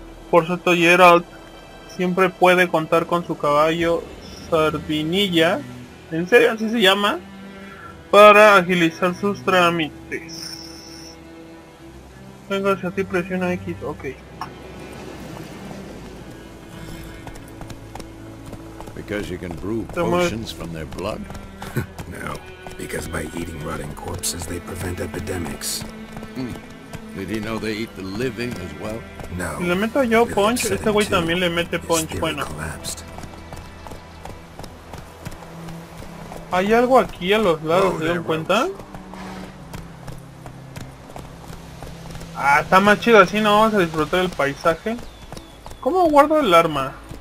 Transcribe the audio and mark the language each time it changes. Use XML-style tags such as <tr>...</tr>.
<es>Por cierto, Geralt siempre puede contar con su caballo Sardinilla. ¿En serio así se llama? Para agilizar sus trámites. Venga hacia ti, presiona X, ok.</es> <en>Because you can brew potions from their blood? No, because by eating rotting corpses they prevent epidemics. Did he know they eat the living as well? No.</en> <es>Si le meto yo punch, este güey también le mete punch, bueno. Collapsed. Hay algo aquí a los lados, ¿se dan cuenta? Ah, está más chido así, ¿no? Vamos a disfrutar el paisaje. ¿Cómo guardo el arma?</es>